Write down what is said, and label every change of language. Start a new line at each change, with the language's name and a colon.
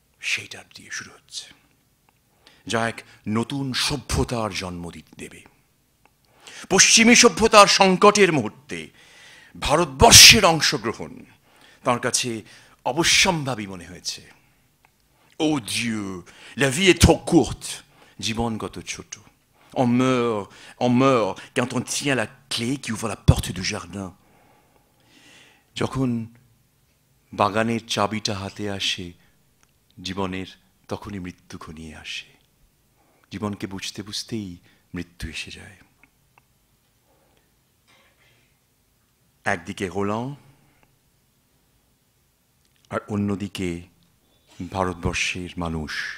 Bangla: সেইটার দিয়ে শুরু হচ্ছে, যা এক নতুন সভ্যতার জন্ম দিতে দেবে। পশ্চিমী সভ্যতার সংকটের মুহূর্তে ভারতবর্ষের অংশগ্রহণ তাঁর কাছে অবশ্যম্ভাবী মনে হয়েছে।
French: ও Dieu, la vie est trop courte,
Bangla: জীবন কত ছোট।
French: On meurt quand on tient la clé qui ouvre la porte du jardin.
Bangla: যখন বাগানের চাবিটা হাতে আসে, জীবনের তখনই মৃত্যু ঘনিয়ে আসে। জীবনকে বুঝতে বুঝতেই মৃত্যু এসে যায়। একদিকে হোলাং, আর অন্যদিকে ভারতবর্ষের মানুষ।